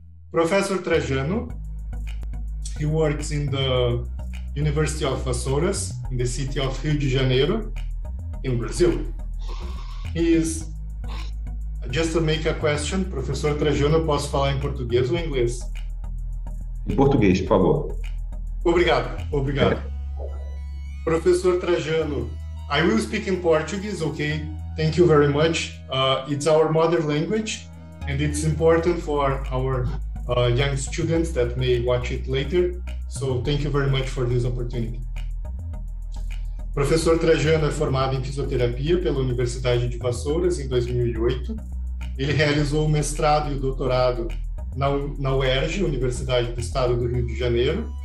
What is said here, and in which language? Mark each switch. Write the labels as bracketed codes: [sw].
[en] Professor Trajano, he works in the University of Azores in the city of Rio de Janeiro in Brazil. He is, just to make a question, Professor Trajano, [pt] posso falar em português ou em inglês? Em português, por favor. Obrigado, obrigado. [en] Professor Trajano, I will speak in Portuguese, okay? Thank you very much. It's our mother language, and it's important for our young students that may watch it later. So thank you very much for this opportunity. [pt] Professor Trajano é formado em fisioterapia pela Universidade de Vassouras em 2008. Ele realizou o mestrado e o doutorado na UERJ, Universidade do Estado do Rio de Janeiro.